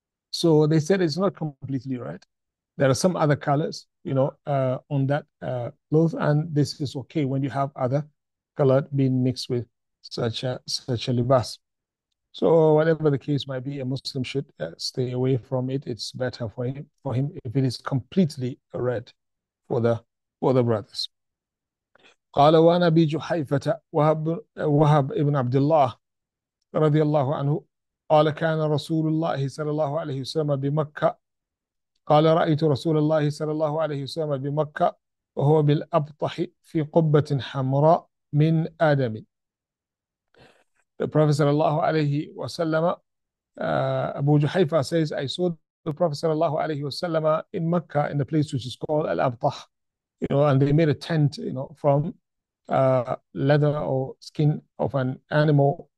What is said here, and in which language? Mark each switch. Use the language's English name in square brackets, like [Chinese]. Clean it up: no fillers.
[English] So they said it's not completely red. There are some other colors, on that cloth, and this is okay when you have other color being mixed with such a libas. So whatever the case might be, a Muslim should stay away from it. It's better for him if it is completely red for the brothers. [Arabic] قال وانا ابي جحيفة وهب ابن عبد الله رضي الله عنه قال كان رسول الله صلى الله عليه وسلم بمكة قال رأيت رسول الله صلى الله عليه وسلم بمكة وهو بالأبطح في قبة حمراء من آدم. [English] The Prophet [Arabic] صلى الله عليه وسلم, [English] أبو جحيفة says, I saw the Prophet صلى الله عليه وسلم in Mecca, in the place which is called Al-Abtah. And they made a tent, from leather or skin of an animal.